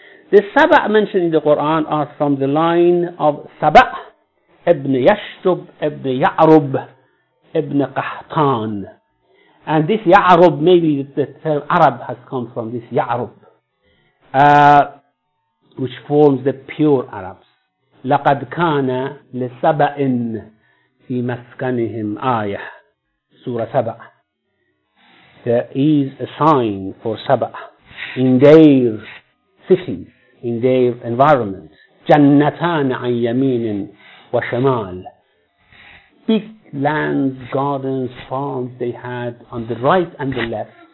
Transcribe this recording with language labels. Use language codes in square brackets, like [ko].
[en] The Saba' mentioned in the Quran are from the line of Saba' ibn Yashtub ibn Ya'rub ibn Qahtan. And this Ya'rub, maybe the term Arab has come from this Ya'rub, which forms the pure Arabs. [ar] لَقَدْ كَانَ لِسَبَعٍ فِي مَسْكَنِهِمْ آيَةٍ Surah Saba'. [en] There is a sign for Saba' in their cities, in their environment. [ar] جَنَّتَانَ عَنْ يَمِينٍ وَشَمَالٍ [en] Big lands, gardens, farms they had on the right and the left.